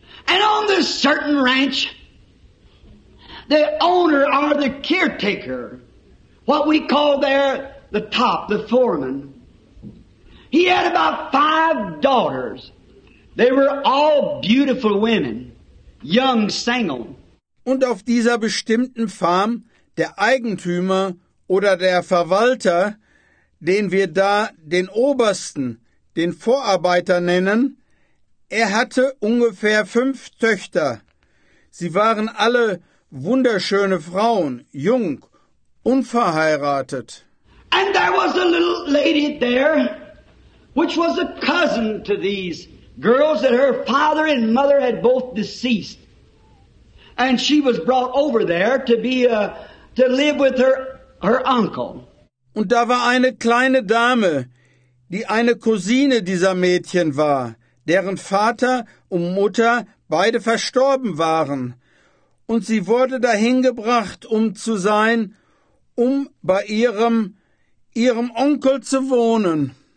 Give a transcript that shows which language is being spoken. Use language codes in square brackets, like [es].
[en] And on this certain ranch, the owner or the caretaker, what we call there the top, the foreman, he had about 5 daughters. They were all beautiful women, young single. [de] Und auf dieser bestimmten Farm, der Eigentümer oder der Verwalter, den wir da den Obersten, den Vorarbeiter nennen, er hatte ungefähr 5 Töchter. Sie waren alle wunderschöne Frauen, jung, unverheiratet. [en] And there was a little lady there, which was a cousin to these girls that her father and mother had both deceased. And she was brought over there to be to live with her uncle. [de] Und da war eine kleine Dame, die eine Cousine dieser Mädchen war, deren Vater und Mutter beide verstorben waren. Und sie wurde dahin gebracht, um zu sein, um bei ihrem Onkel zu wohnen.